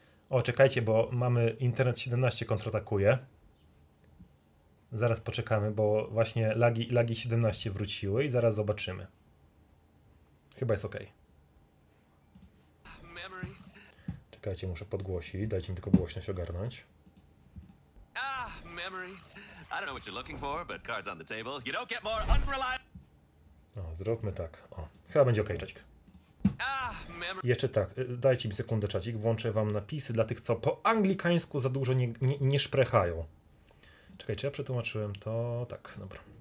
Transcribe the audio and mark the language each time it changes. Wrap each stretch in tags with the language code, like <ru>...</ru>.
<pl>O, czekajcie, bo mamy internet 17 kontratakuje. Zaraz poczekamy, bo właśnie lagi 17 wróciły i zaraz zobaczymy. Chyba jest ok. Czekajcie, muszę podgłosić, dajcie mi tylko głośność ogarnąć.</pl> <en>Ah, memories. I don't know what you're looking for, but cards on the table. You don't get more unreliable.</en> <pl>O, zróbmy tak. O, chyba będzie ok, czacik. Jeszcze tak, dajcie mi sekundę, czacik, włączę wam napisy dla tych, co po anglikańsku za dużo nie szprechają. Czekaj, czy ja przetłumaczyłem to? Tak, dobra.</pl>